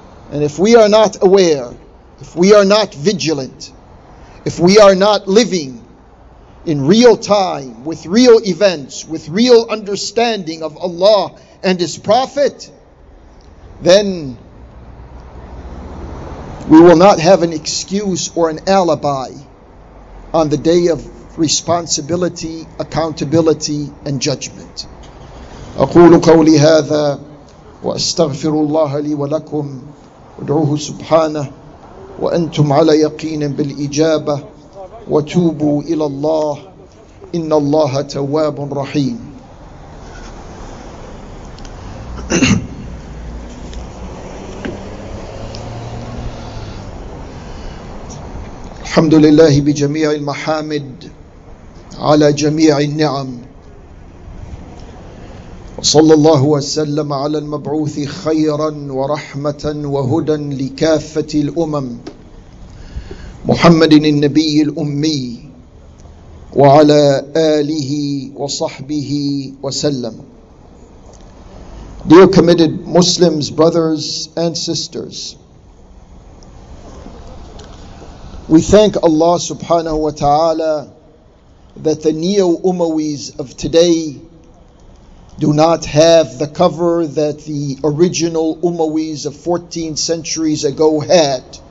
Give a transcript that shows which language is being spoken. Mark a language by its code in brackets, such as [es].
[en] And if we are not aware, if we are not vigilant, if we are not living in real time, with real events, with real understanding of Allah and His Prophet, then we will not have an excuse or an alibi on the day of responsibility, accountability, and judgment. [ar] أقول قولي هذا وأستغفر الله لي ولكم ودعوه سبحانه وأنتم على يقين بالإجابة وتوبوا إلى الله إن الله تواب رحيم. الحمد لله بجميع المحامد على جميع النعم صلى الله وسلم على المبعوث خيرا ورحمة وهدى لكافة الأمم محمد النبي الأمي وعلى آله وصحبه وسلم. [en] Dear committed Muslims, brothers and sisters, we thank Allah subhanahu wa ta'ala that the neo-Umayyads of today do not have the cover that the original Umayyads of 14 centuries ago had.